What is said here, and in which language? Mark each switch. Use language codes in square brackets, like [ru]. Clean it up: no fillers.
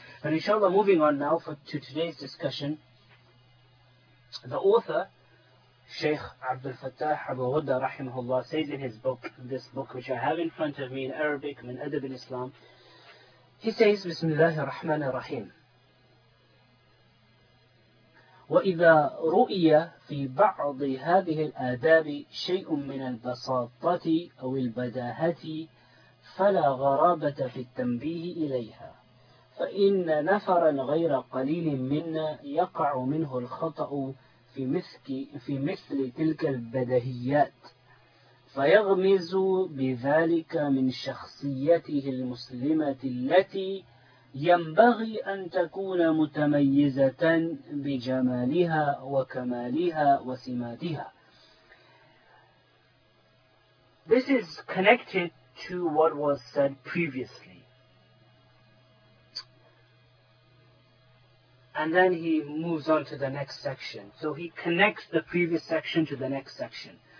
[en] But inshallah, moving on now to today's discussion, the author, Shaykh Abdul Fattah Abu Ghudda rahimahullah, says in his book, this book which I have in front of me in Arabic, Min Adab al-Islam, he says, Bismillah ar-Rahman ar-Rahim. [ar] وَإِذَا رُؤِيَ فِي بَعْضِ هَذِهِ الْآدَابِ شَيْءٌ مِنَ الْبَسَاطَةِ أَوِ الْبَدَاهَةِ فَلَا غَرَابَةَ فِي التَّنْبِيهِ إِلَيْهَا فَإِنَّ نَفَرًا غَيْرَ قَلِيلٍ مِنَّا يَقَعُ مِنْهُ الْخَطَأُ في مثل تلك البدهيات فيغمز بذلك من شخصيته المسلمة التي ينبغي أن تكون متميزة بجمالها وكمالها وسماتها. [en] This is connected to what was said previously. And then he moves on to the next section. So he connects the previous section to the next section.